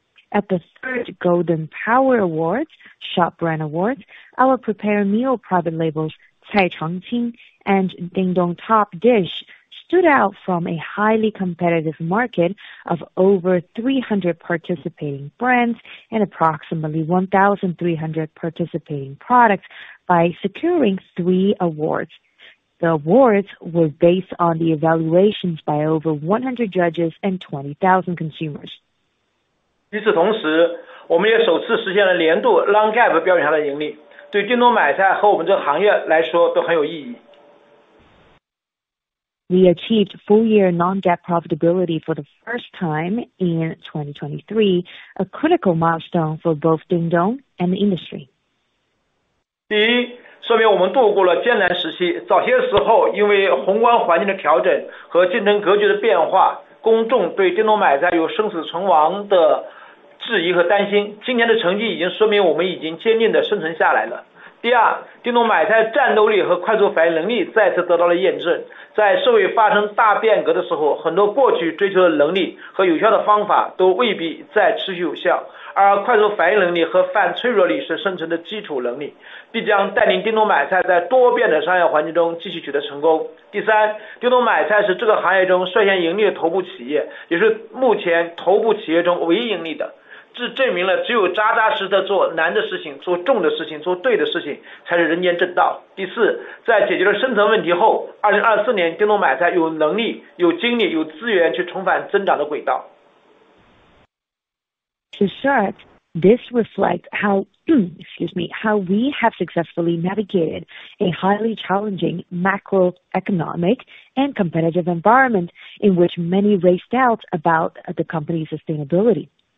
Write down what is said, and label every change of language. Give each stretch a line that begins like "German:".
English: At the 3rd Golden Power Awards, Shop Brand Awards, our prepared meal private labels, Cai Changqing and Dingdong Top Dish, stood out from a highly competitive market of over 300 participating brands and approximately 1,300 participating products by securing 3 awards. The awards were based on the evaluations by over 100 judges and 20,000 consumers.
Chinese: 与此同时，我们也首次实现了年度 non-GAAP 标准下的盈利，对叮咚买菜和我们这个行业来说都很有意义。
English: We achieved full-year non-GAAP profitability for the first time in 2023, a critical milestone for both Dingdong and the industry.
Chinese: 第一，说明我们度过了艰难时期。早些时候，因为宏观环境的调整和竞争格局的变化，公众对叮咚买菜有生死存亡的质疑和担心，今天的成绩已经说明我们已经坚定地生存下来了。第二，叮咚买菜战斗力和快速反应能力再次得到了验证，在社会发生大变革的时候，很多过去追求的能力和有效的方法都未必再持续有效，而快速反应能力和反脆弱力是生存的基础能力，必将带领叮咚买菜在多变的商业环境中继续取得成功。第三，叮咚买菜是这个行业中率先盈利的头部企业，也是目前头部企业中唯一盈利的，这证明了只有扎扎实的做难的事情，做重的事情，做对的事情，才是人间正道。第四，在解决了深层问题后，2024年叮咚买菜有能力、有精力、有资源去重返增长的轨道。
English: To start, this reflects how we have successfully navigated a highly challenging macroeconomic and competitive environment in which many raised doubts about the company's sustainability.